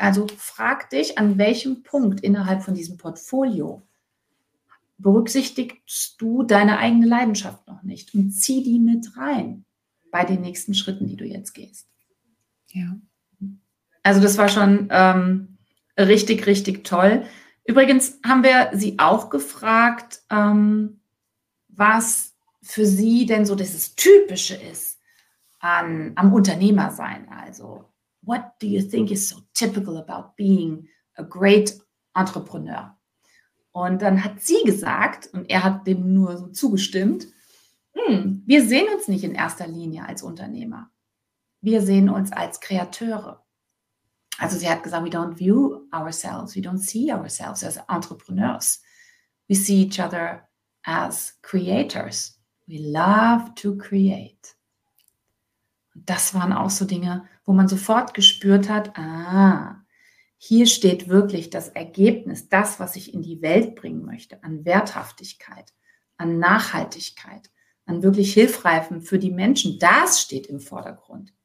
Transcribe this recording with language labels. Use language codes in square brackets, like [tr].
[de] Also frag dich, an welchem Punkt innerhalb von diesem Portfolio berücksichtigst du deine eigene Leidenschaft noch nicht und zieh die mit rein bei den nächsten Schritten, die du jetzt gehst. Ja. Also das war schon richtig, richtig toll. Übrigens haben wir sie auch gefragt, was für sie denn so dieses Typische ist. Am Unternehmer sein. [en] Also, what do you think is so typical about being a great entrepreneur? [de] Und dann hat sie gesagt, und er hat dem nur so zugestimmt, wir sehen uns nicht in erster Linie als Unternehmer. Wir sehen uns als Kreateure. Also sie hat gesagt, [en] we don't see ourselves as entrepreneurs. We see each other as creators. We love to create. [de] Das waren auch so Dinge, wo man sofort gespürt hat, hier steht wirklich das Ergebnis, das, was ich in die Welt bringen möchte, an Werthaftigkeit, an Nachhaltigkeit, an wirklich Hilfreifen für die Menschen, das steht im Vordergrund.